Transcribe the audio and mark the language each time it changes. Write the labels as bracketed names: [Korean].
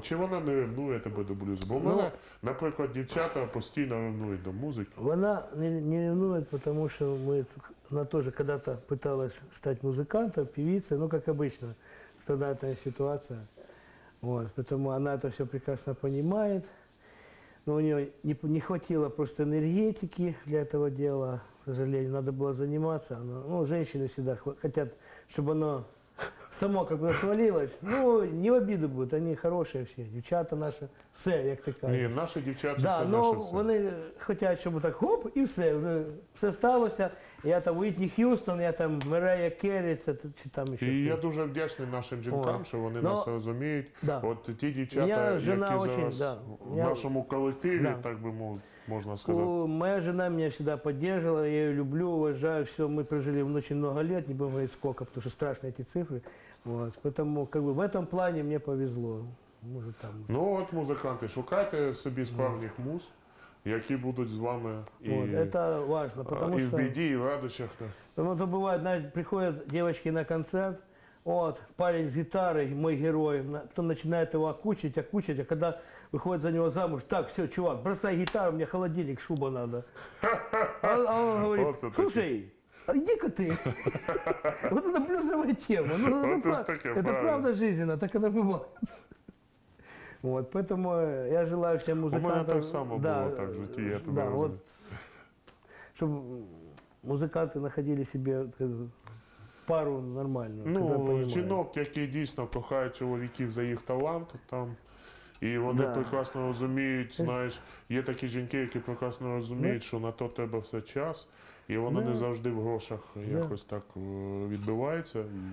[Ukrainian] Чи вона не ревнує тебе до блюзу? Бо вона, наприклад, дівчата постійно ревнують до музики. Вона не ревнує, тому що вона теж коли-то пыталась стати музикантом, певицей, ну, як обычно, стандартна ситуація. Вот. Тому вона це все прекрасно розуміє. [Russian] Но у нее не хватило просто энергетики для этого дела, к сожалению, надо было заниматься. Но, ну, женщины всегда хотят, чтобы оно само как-то свалилось. Ну, не в обиду будет, они хорошие все, девчата наши, все, как ты кажешь. Нет, наши девчата, да, все но наши. Они хотят, чтобы так хоп, и все, уже все сталося. [Ukrainian] Я там Уитні Х'юстон, я там Мерея Керрі, це чи там ще. І я дуже вдячний нашим жінкам, що вони нас розуміють. Да. От ті дівчата, які зараз в нашому колективі, так би можна сказати. Моя жена мене завжди підтримувала, я її люблю, вважаю, все, ми прожили дуже багато років, не буду говорити скільки, тому що страшні ці цифри. Вот. Тому как бы, в цьому плані мені повезло. Може, там... Ну от музиканти, шукайте собі справжніх муз. Які будуть з вами і, [Russian] вот, это важно, потому [Ukrainian] і в біді, і в радощах. Ну, то буває, навіть приходять дівчатки на концерт, от, парень з гітарою, мій герой, то починає його окучити, окучити, а коли виходить за нього замуж, так, все, чувак, бросай гітару, мені холодильник, шуба треба. А він говорить, слушай, іди-ка ти. [Russian] Вот это блюзова тема. Ну, это правда жизненно, так оно бывает. Вот, поэтому я желаю всем музыкантам, [Ukrainian] у меня так само было, так в житті, я тебе розумію. Вот, щоб музиканти знаходили себе пару нормальну. Ну, жінок, які дійсно кохають чоловіків за їх талант, там, і вони прекрасно розуміють, знаєш, є такі жінки, які прекрасно розуміють, що на то тебе все час, і воно не завжди в грошах якось так відбувається.